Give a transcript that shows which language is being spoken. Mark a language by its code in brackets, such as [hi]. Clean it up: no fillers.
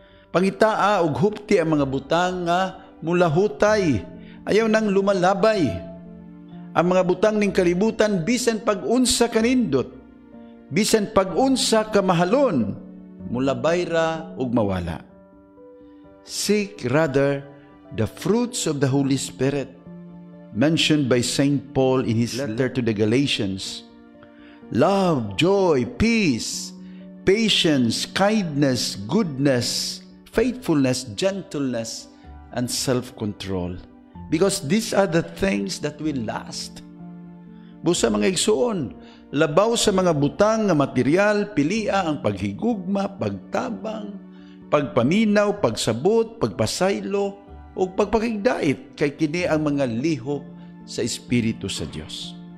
[ceb] Pangitaa ug hupti ang mga butang nga mulahutay, ayaw nang lumalabay. Ang mga butang ning kalibutan, bisan pag-unsa kanindot, bisan pag-unsa kamahalon, mulabay ra ug mawala. [en] Seek rather the fruits of the Holy Spirit mentioned by St. Paul in his letter to the Galatians. love, joy, peace, patience, kindness, goodness, faithfulness, gentleness, and self-control. Because these are the things that will last. [ceb] Busa mga igsoon, labaw sa mga butang na material, pilia ang paghigugma, pagtabang, pagpaminaw, pagsabot, pagpasaylo, o pagpakigdait kay kini ang mga liho sa Espiritu sa Diyos.